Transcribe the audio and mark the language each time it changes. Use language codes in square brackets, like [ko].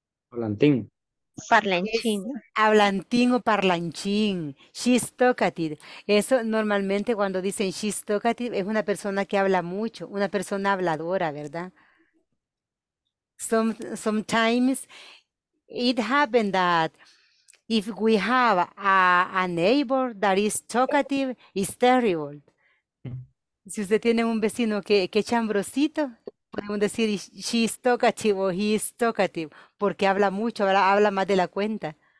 [es] Parlantín. Parlanchín. Hablantín o parlanchín. [en] She's talkative. [es] Eso normalmente cuando dicen [en] she's talkative [es] es una persona que habla mucho, una persona habladora, ¿verdad? [en] Sometimes it happens that if we have a neighbor that is talkative, it's terrible. [es] Si usted tiene un vecino que es chambrosito, podemos decir [en] she's talkative [es] o [en] he is talkative, [es] porque habla mucho, habla más de la cuenta.